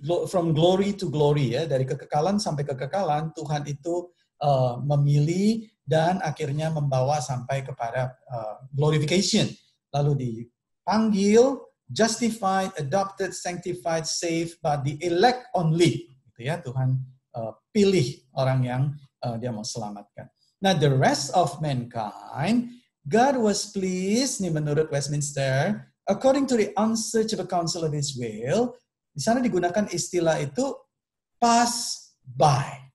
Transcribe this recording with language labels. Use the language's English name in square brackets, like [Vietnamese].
[English] From glory to glory, [Indonesian] ya, dari kekekalan sampai kekekalan, Tuhan itu memilih dan akhirnya membawa sampai kepada glorification. Lalu dipanggil, [English] justified, adopted, sanctified, saved, but the elect only. [Indonesian] Gitu ya, Tuhan pilih orang yang dia mau selamatkan. [English] Now, the rest of mankind, God was pleased, [Indonesian] nih menurut Westminster, [English] according to the unsearchable counsel of His will, [Indonesian] di sana digunakan istilah itu [English] pass by.